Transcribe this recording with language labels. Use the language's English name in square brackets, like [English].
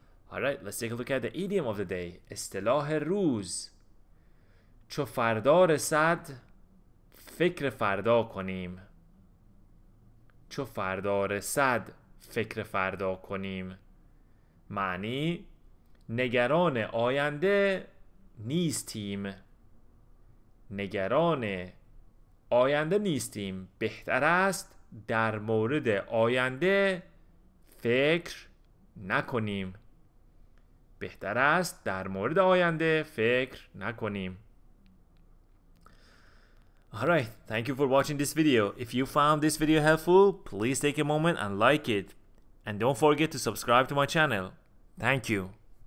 [English] Alright, let's take a look at the idiom of the day. [Persian] اصطلاح روز. چو فردا رسد فکر فردا کنیم. چو فردا رسد فکر فردا کنیم. معنی نگران آینده نیستیم. نگران آینده نیستیم. بهتر است در مورد آینده فکر نکنیم. بهتر است در مورد آینده فکر نکنیم. [English] Alright, thank you for watching this video. If you found this video helpful, please take a moment and like it. And don't forget to subscribe to my channel. Thank you.